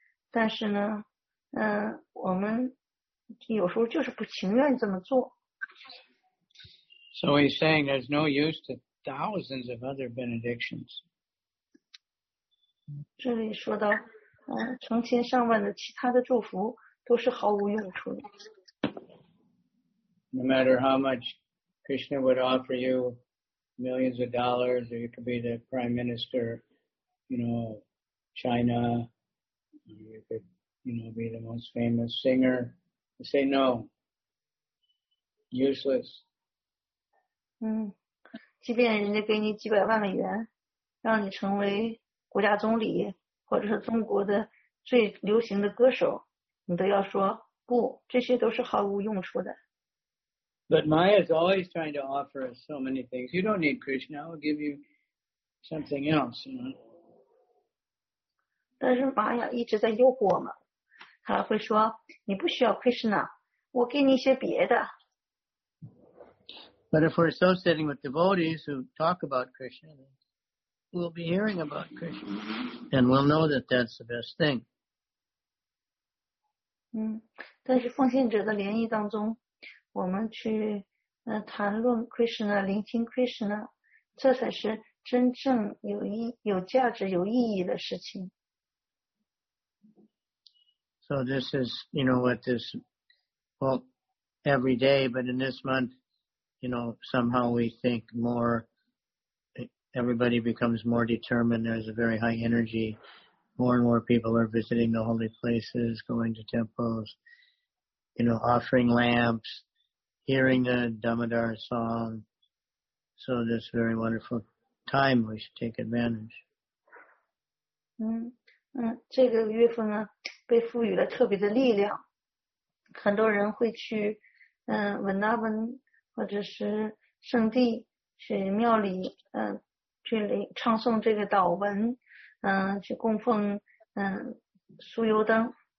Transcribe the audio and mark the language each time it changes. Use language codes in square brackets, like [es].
[zh] 但是呢，我们有时候就是不情愿这么做。 [en] So he's saying there's no use to thousands of other benedictions. [zh] 这里说到，成千上万的其他的祝福都是毫无用处的。 [en] No matter how much Krishna would offer you, millions of dollars, or you could be the prime minister, you know, China, or you could, you know, be the most famous singer, you say no, useless. [zh] 嗯，即便人家给你几百万美元，让你成为国家总理，或者是中国的最流行的歌手，你都要说不，这些都是毫无用处的。 [en] But Maya is always trying to offer us so many things. You don't need Krishna. I'll give you something else. You know? [zh] 但是玛雅一直在诱惑我们。他会说，你不需要 Krishna， 我给你一些别的。 [en] But if we're associating with devotees who talk about Krishna, we'll be hearing about Krishna, and we'll know that that's the best thing. [zh] 嗯，但是奉献者的联谊当中。我们去谈论 Krishna， 聆听 Krishna， 这才是真正有价值、有意义的事情。 [en] So this is, you know, what this, well, every day, but in this month, you know, somehow we think more, everybody becomes more determined, there's a very high energy, more and more people are visiting the holy places, going to temples, you know, offering lamps,hearing the Damodar song. So this very wonderful time, we should take advantage. [zh] 这个月份呢被赋予了特别的力量。很多人会去Vrindavan或者是圣地去庙里去唱诵这个祷文去供奉酥油灯。